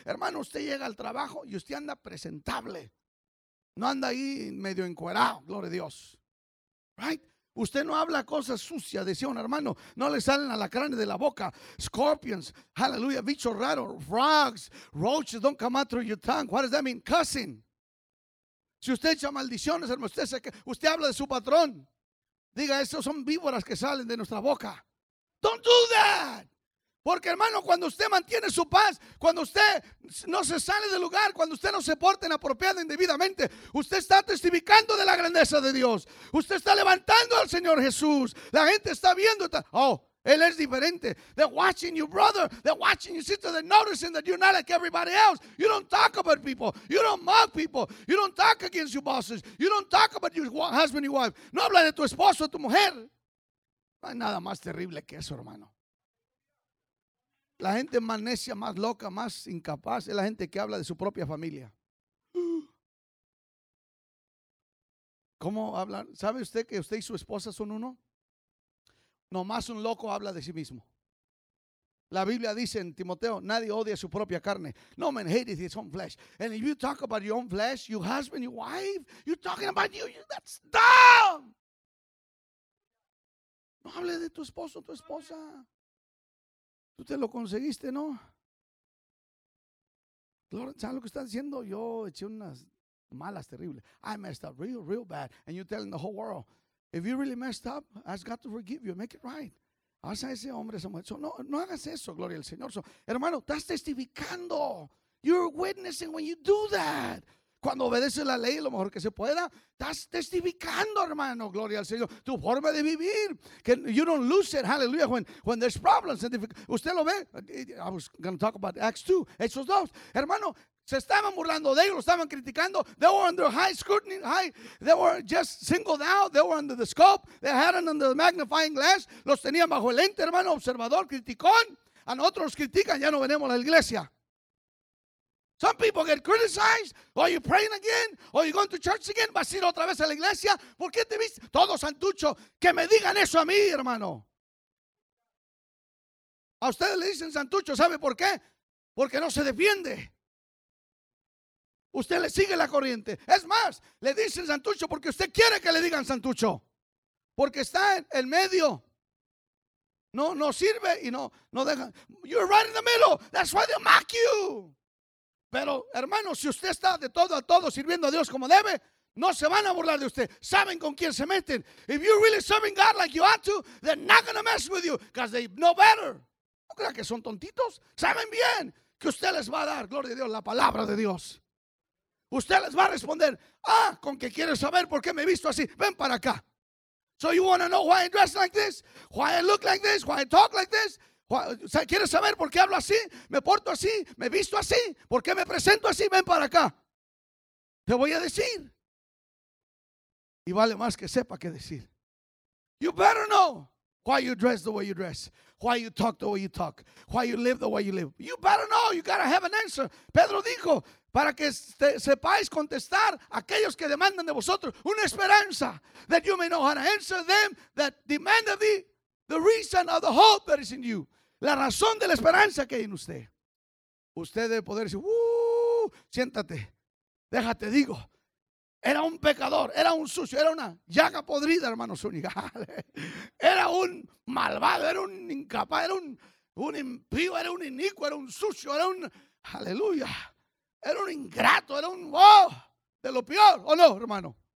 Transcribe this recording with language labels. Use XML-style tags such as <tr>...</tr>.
<es>Hermano, usted llega al trabajo y usted anda presentable. No anda ahí medio encuerado, gloria a Dios.</es> <en>Right?</en> <es>Usted no habla cosas sucias, decía un hermano. No le salen a la carne de la boca. Scorpions, aleluya, bichos raros.</es> <en>Frogs, roaches, don't come out through your tongue. What does that mean? Cussing.</en> <es>Si usted echa maldiciones, hermano, usted habla de su patrón. Diga, esos son víboras que salen de nuestra boca.</es> <en>Don't do that.</en> <es>Porque, hermano, cuando usted mantiene su paz, cuando usted no se sale del lugar, cuando usted no se porta inapropiado indebidamente, usted está testificando de la grandeza de Dios. Usted está levantando al Señor Jesús. La gente está viendo. Oh, él es diferente.</es> <en>They're watching you, brother. They're watching you, sister. They're noticing that you're not like everybody else. You don't talk about people. You don't mock people. You don't talk against your bosses. You don't talk about your husband, your wife.</en> <es>No habla de tu esposo, tu mujer. No hay nada más terrible que eso, hermano. La gente más necia, más loca, más incapaz es la gente que habla de su propia familia. ¿Cómo hablar? ¿Sabe usted que usted y su esposa son uno? Nomás un loco habla de sí mismo. La Biblia dice en Timoteo, nadie odia su propia carne. No man hates his own flesh. And if you talk about your own flesh, your husband, your wife, you're talking about you, that's dumb. No hable de tu esposo, tu esposa. Tú te lo conseguiste, ¿no? ¿Sabes lo que estás diciendo? Yo eché unas malas terribles.</es> <en>I messed up real, real bad. And you're telling the whole world, if you really messed up, I've got to forgive you. Make it right.</en> <es>Haz a ese hombre, esa mujer. No hagas eso, gloria al Señor. Hermano, estás testificando.</es> <en>You're witnessing when you do that.</en> <es>Cuando obedeces la ley lo mejor que se pueda, estás testificando, hermano, gloria al Señor, tu forma de vivir.</es> <en>Que you don't lose it, hallelujah, when there's problems.</en> <es>Usted lo ve,</es> <en>I was going to talk about Acts 2, Hechos 2.</en> <es>Hermano, se estaban burlando de ellos, lo estaban criticando.</es> <en>They were under high scrutiny, they were just singled out, they were under the scope, they had it under the magnifying glass.</en> <es>Los tenían bajo el lente, hermano, observador, criticón. A nosotros los critican, ya no venimos a la iglesia.</es> <en>Some people get criticized. Are you praying again? Are you going to church again?</en> <es>¿Vas a ir otra vez a la iglesia? ¿Por qué te viste? Todo santucho. Que me digan eso a mí, hermano. A ustedes le dicen santucho. ¿Sabe por qué? Porque no se defiende. Usted le sigue la corriente. Es más, le dicen santucho porque usted quiere que le digan santucho. Porque está en medio. No sirve y no deja.</es> <en>You're right in the middle. That's why they mock you.</en> <es>Pero, hermano, si usted está de todo a todo sirviendo a Dios como debe, no se van a burlar de usted. Saben con quién se meten.</es> <en>If you're really serving God like you ought to, they're not going to mess with you because they know better.</en> <es>¿No crea que son tontitos? Saben bien que usted les va a dar, gloria a Dios, la palabra de Dios. Usted les va a responder, ah, con que quieres saber por qué me he visto así. Ven para acá. So you want to know why I dress like this, why I look like this, why I talk like this. ¿Quieres saber por qué hablo así? ¿Me porto así? ¿Me visto así? ¿Por qué me presento así? Ven para acá. Te voy a decir. Y vale más que sepa qué decir.</es> <en>You better know why you dress the way you dress. Why you talk the way you talk. Why you live the way you live. You better know. You gotta have an answer.</en> <es>Pedro dijo, para que sepáis contestar a aquellos que demandan de vosotros una esperanza.</es> <en>That you may know how to answer them that demand of thee. The reason of the hope that is in you.</en> <es>La razón de la esperanza que hay en usted. Usted debe poder decir, siéntate, déjate, digo. Era un pecador, era un sucio, era una llaga podrida, hermano Zúñiga. Era un malvado, era un incapaz, era un impío, era un inicuo, era un sucio, era un, aleluya, era un ingrato, era un, oh, de lo peor, ¿o no, hermano?</es>